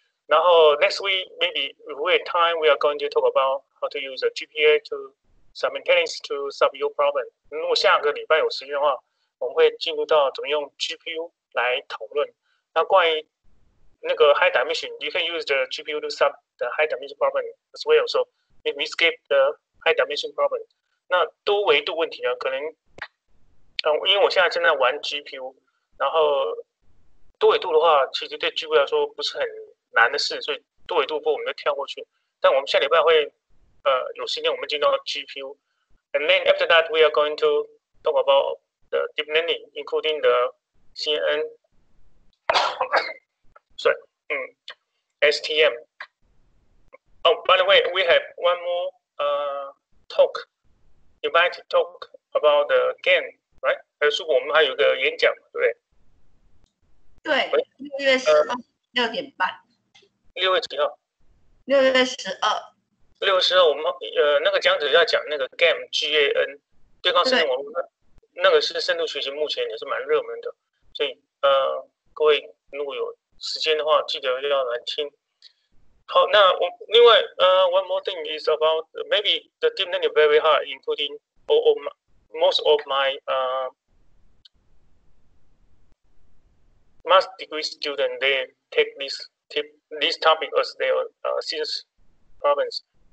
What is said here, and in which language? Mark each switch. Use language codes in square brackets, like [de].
[en] 然后 next week maybe if we have time we are going to talk about how to use a GPA to simultaneously to solve your problem. [zh] 如果下个礼拜有时间的话，我们会进入到怎么用 GPU 来讨论。那关于那个 [en] high dimension, you can use the GPU to solve the high dimension problem as well. So if we skip the high dimension problem, [zh] 那多维度问题呢？可能，因为我现在正在玩 GPU, 然后多维度的话，其实对 GPU 来说不是很难的事，所以多维度部我们就跳过去。但我们下礼拜会，有时间我们进到 [en] GPU, and then after that we are going to talk about the deep learning, including the CNN. STM. Oh, by the way, we have one more talk, invited talk about the GAN, right? [zh] 还是我们还有个演讲，对不对？对，6月12日，6:30。六月几号？ 6月12日。六月十二，我们那个讲者要讲那个 GAN, G-A-N, 对抗深度网络，那个是深度学习目前也是蛮热门的，所以各位如果有时间的话，记得要来听。好，那我另外 [en] one more thing is about maybe the deep learning very hard, including most of my master degree student, they take this topic as their thesis province.